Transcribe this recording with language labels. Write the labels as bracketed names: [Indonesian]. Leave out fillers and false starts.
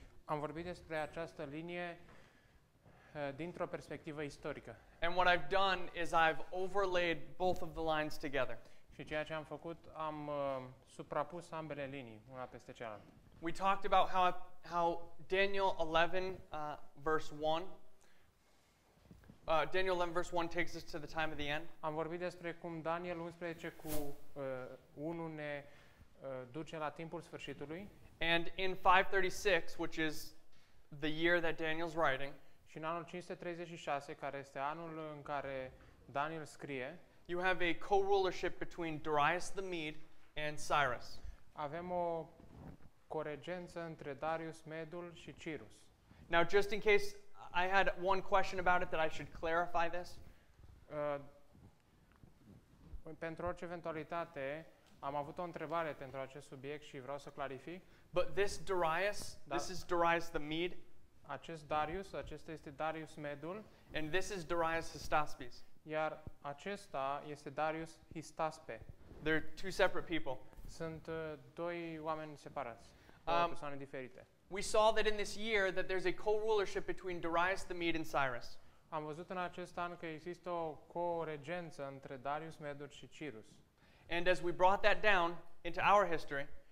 [Romanian] Am vorbit despre această linie dintr-o perspectivă istorică. [English] And what I've done is I've overlaid both of the lines together. [Romanian] Și ceea ce am făcut, am suprapus ambele linii, una peste cealaltă. [English] We talked about how Daniel 11, verse 1, Daniel 11 verse 1 takes us to the time of the end. [Romanian] Am vorbit despre cum Daniel 11 cu 1 ne duce la timpul sfârșitului. [English] And in 536, which is the year that Daniel's writing, [Romanian] și în anul 536, care este anul în care Daniel scrie, [English] you have a co-rulership between Darius the Mede and Cyrus. [Romanian] Avem o coregență între Darius Medul și Cyrus. [English] Now just in case I had one question about it that I should clarify this. [Romanian] Pentru orice eventualitate, am avut o întrebare pentru acest subiect și vreau să clarific. [English] But this Darius, this is Darius the Mede. [Romanian] Acest Darius, acesta este Darius Medul. [English] And this is Darius Hystaspes. [Romanian] Iar acesta este Darius Hystaspe. [English] They're two separate people. [Romanian] Sunt doi oameni separați, persoane diferite. [English] We saw that in this year that there's a co-rulership between Darius the Mede and Cyrus. [Romanian] Am văzut în acest an că există o co-regență între Darius Medul și Cyrus. [English] And as we brought that down into our history,